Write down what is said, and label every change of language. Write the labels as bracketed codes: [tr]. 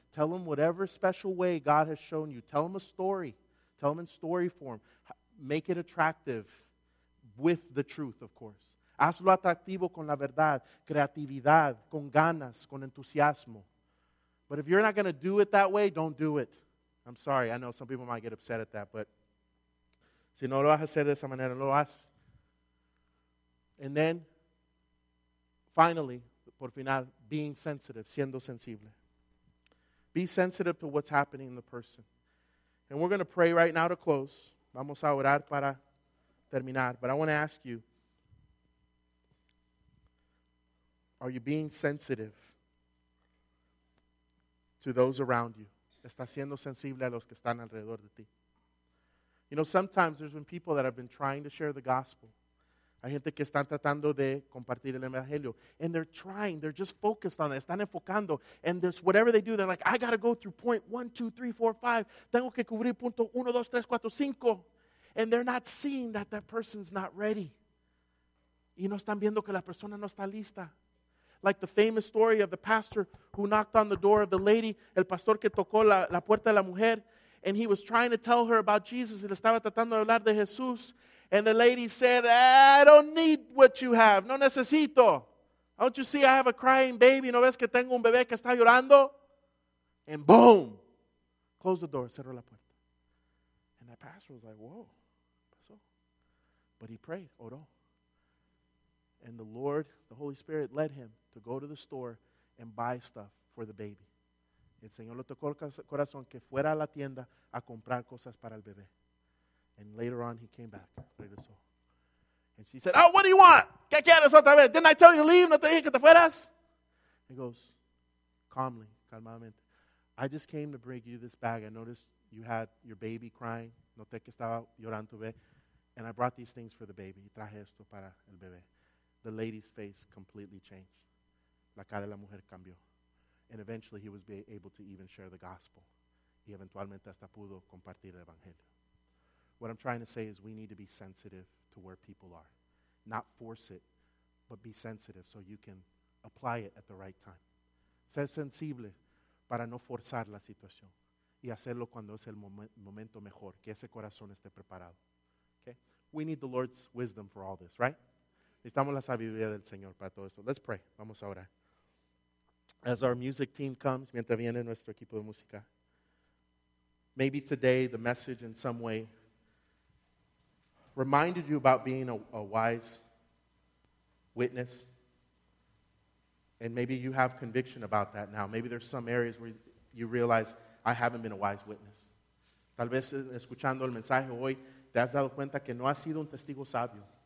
[en] Tell them whatever special way God has shown you. Tell them a story. Tell them in story form. Make it attractive with the truth, of course. [es] Hazlo atractivo con la verdad, creatividad, con ganas, con entusiasmo. [en] But if you're not going to do it that way, don't do it. I'm sorry. I know some people might get upset at that, but [es] si no lo vas a hacer de esa manera, lo haces. [en] And then, finally, [es] por final, [en] being sensitive, [es] siendo sensible. [en] Be sensitive to what's happening in the person. And we're going to pray right now to close. [es] Vamos a orar para terminar. [en] But I want to ask you, are you being sensitive to those around you? [es] Está siendo sensible a los que están alrededor de ti. [en] You know, sometimes there's been people that have been trying to share the gospel. [es] Hay gente que están tratando de compartir el evangelio. [en] And they're trying. They're just focused on it. [es] Están enfocando. [en] And there's whatever they do, they're like, I got to go through point 1, 2, 3, 4, 5. [es] Tengo que cubrir punto 1, 2, 3, 4, 5. [en] And they're not seeing that person's not ready. [es] Y no están viendo que la persona no está lista. [en] Like the famous story of the pastor who knocked on the door of the lady, [es] el pastor que tocó la puerta de la mujer, [en] and he was trying to tell her about Jesus, [es] y le estaba tratando de hablar de Jesús, [en] and the lady said, I don't need what you have, [es] no necesito. [en] Don't you see I have a crying baby, [es] no ves que tengo un bebé que está llorando? [en] And boom, closed the door, [es] cerró la puerta. [en] And that pastor was like, whoa, pasó. But he prayed, oró. And the Lord, the Holy Spirit, led him to go to the store and buy stuff for the baby. [es] El Señor le tocó el corazón que fuera a la tienda a comprar cosas para el bebé. [en] And later on, he came back. Regresó. And she said, oh, what do you want? [es] ¿Qué quieres otra vez? [en] Didn't I tell you to leave? [es] ¿No te dije que te fueras? [en] He goes, calmly, calmamente, I just came to bring you this bag. I noticed you had your baby crying. [es] Noté que estaba llorando tu bebé. [en] And I brought these things for the baby. [es] Y traje esto para el bebé. [en] The lady's face completely changed. [es] La cara de la mujer cambió. [en] And eventually he was able to even share the gospel. [es] Y eventualmente hasta pudo compartir el evangelio. [en] What I'm trying to say is we need to be sensitive to where people are. Not force it, but be sensitive so you can apply it at the right time. [es] Ser sensible para no forzar la situación. Y hacerlo cuando es el momento mejor, que ese corazón esté preparado. [en] Okay? We need the Lord's wisdom for all this, right? [es] Necesitamos la sabiduría del Señor para todo esto. [en] Let's pray. [es] Vamos a orar. [en] As our music team comes, [es] mientras viene nuestro equipo de música, [en] maybe today the message in some way reminded you about being a wise witness. And maybe you have conviction about that now. Maybe there's some areas where you realize, I haven't been a wise witness. [es] Tal vez escuchando el mensaje hoy, te has dado cuenta que no has sido un testigo sabio.